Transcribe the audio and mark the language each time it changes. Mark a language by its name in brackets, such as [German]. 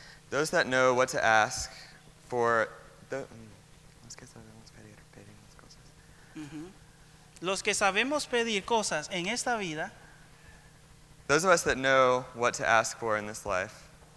[English] those that know what to ask for [Spanish] pedir las cosas. Los que sabemos pedir cosas en esta vida. [English] Those of us that know what to ask for in this life.